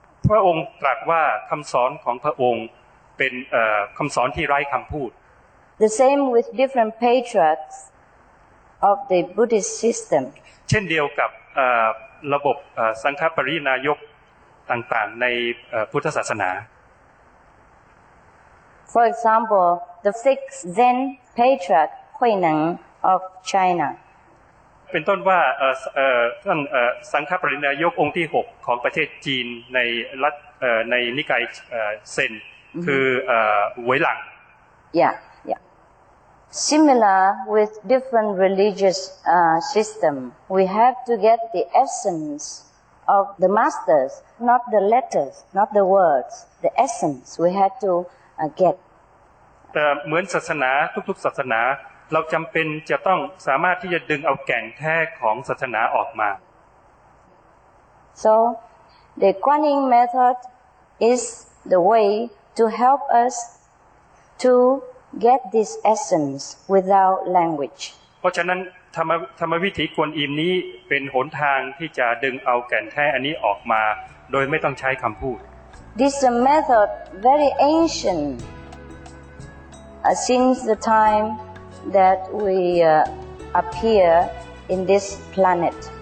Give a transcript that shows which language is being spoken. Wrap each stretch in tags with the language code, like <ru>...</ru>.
<th>พระองค์ตรัสว่าคำสอนของพระองค์เป็นคำสอนที่ไร้คำพูด</th> <en>The same with different patriarchs of the Buddhist system</en> <th>เช่นเดียวกับระบบสังฆปริณายกต่างๆในพุทธศาสนา</th> <en>For example the sixth Zen patriarch Kui Neng of China</en> <th>เป็นต้นว่าท่านสังฆปริณายกองค์ที่6ของประเทศจีนในรัฐในนิกายเซนคือหวยหลัง</th> <en>yeah yeah similar with different religious system we have to get the essence of the masters, not the letters, not the words, the essence we had to get.</en> <th>แต่เหมือนศาสนาทุกๆศาสนาเราจำเป็นจะต้องสามารถที่จะดึงเอาแก่นแท้ของศาสนาออกมา</th> <en>So the Kuan Yin method is the way to help us to get this essence without language.</en> <th>เพราะฉะนั้นธรรมวิถีกวนอิมนี้เป็นหนทางที่จะดึงเอาแก่นแท้อันนี้ออกมาโดยไม่ต้องใช้คำพูด</th> <en>This is a method very ancient since the time that we appear in this planet.</en>